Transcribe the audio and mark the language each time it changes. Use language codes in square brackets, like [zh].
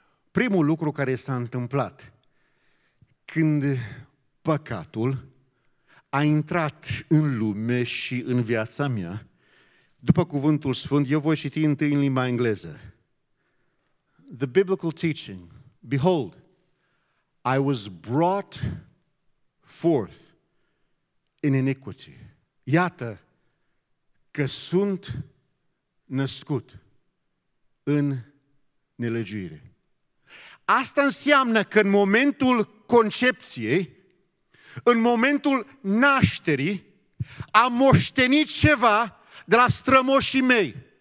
[ro] Primul lucru care s-a întâmplat când păcatul a intrat în lume și în viața mea, după cuvântul sfânt, eu voi citi întâi în limba engleză. [en] The biblical teaching, behold, I was brought forth in iniquity. [ro] Iată că sunt născut în nelegiuire. Asta înseamnă că în momentul concepției, în momentul nașterii, am moștenit ceva de la strămoșii mei.